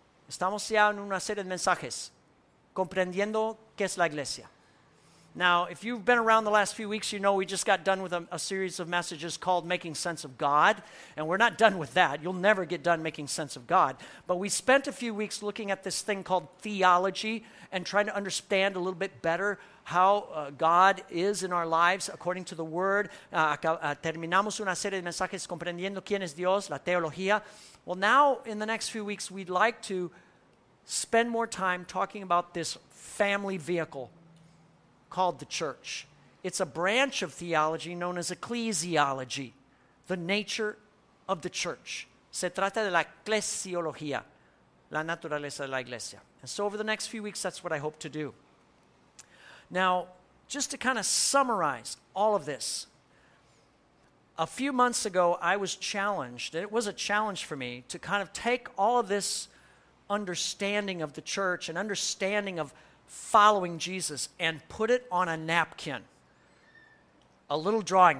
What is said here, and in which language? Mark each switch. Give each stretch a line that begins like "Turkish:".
Spanish: Estamos ya en una serie de mensajes, comprendiendo qué es la iglesia.
English: Now, if you've been around the last few weeks, you know we just got done with a series of messages called Making Sense of God, and we're not done with that. You'll never get done making sense of God. But we spent a few weeks looking at this thing called theology and trying to understand a little bit better how God is in our lives according to the Word.
Spanish: Terminamos una serie de mensajes comprendiendo quién es Dios, la teología.
English: Well, now, in the next few weeks, we'd like to spend more time talking about this family vehicle called the church. It's a branch of theology known as ecclesiology, the nature of the church.
Spanish: Se trata de la eclesiología, la naturaleza de la iglesia.
English: And so over the next few weeks, that's what I hope to do. Now, just to kind of summarize all of this, a few months ago, I was challenged, and it was a challenge for me, to kind of take all of this understanding of the church and understanding of following Jesus and put it on a napkin, a little drawing.